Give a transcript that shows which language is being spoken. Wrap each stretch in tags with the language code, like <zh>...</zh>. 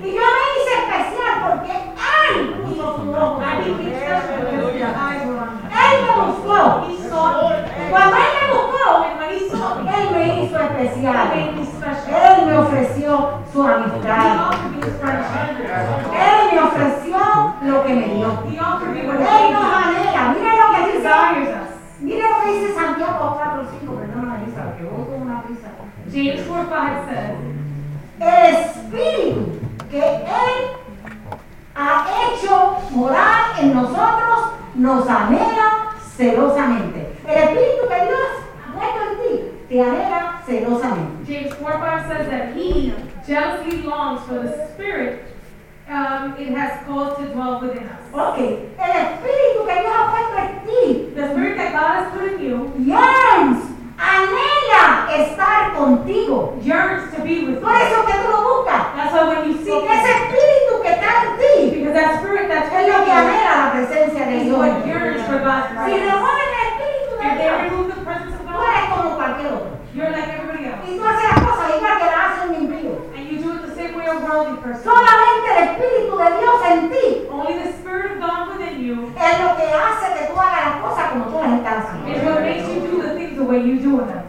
<es>Y yo me hice especial porque él puso su ojo.</es> <en>I became special because your eyes were on me.</en> <es>Él me buscó.</es> <en>He saw me.</en> <es>Cuando él me buscó,</es> <en>when he saw me,</en> <es>él me hizo especial.</es> <en>He made me special.</en> <es>Él me ofreció su amistad.</es> <en>He offered me his friendship.</en> <es>Él me ofreció lo que me dio.</es> <en>He offered me what</en> <es>él nos anhela. Mira lo que dice.</es> <en>Us.</en> <es>Mira lo que dice Santiago 4:5. Perdón, Marisa, que voy con una prisa.</es> <en>James 4:5 says,</en> <es>el espíritu que él ha hecho morar en nosotros nos anhela celosamente. El Espíritu que Dios ha puesto en ti te anhela celosamente.</es> <en>James 4:5 says that he jealously longs for the Spirit it has called to dwell within us. Okay.</en> <es>El Espíritu que Dios ha puesto en ti,</es> <en>the Spirit that God has put in you, yearns,</en> <es>anhela estar contigo.</es> <en>Yearns to be with you.</en> <es>Por eso que tú lo buscas.</es> <en>That's why when you seek it.</en> <es>Ese Espíritu que está en ti,</es> <en>because that Spirit that's</en> <es>es lo que anhela la presencia de Dios.</es> <en>What yearns for God's presence.</en> <es>Si remueven el Espíritu de Dios,</es> <en>if they remove the presence of God,</en> <es>tú eres como cualquier otro.</es> <en>You're like everybody else.</en> <es>Y tú haces las cosas igual que las hace un impío.</es> <en>And you do it the same way a worldly person.</en> <es>Solamente el Espíritu de Dios en ti.</es> <en>Only the Spirit of God within you.</en> <es>Es lo que hace que tú hagas las cosas como tú las estás haciendo.</es> <en>It's what makes you do the things the way you do them.</en>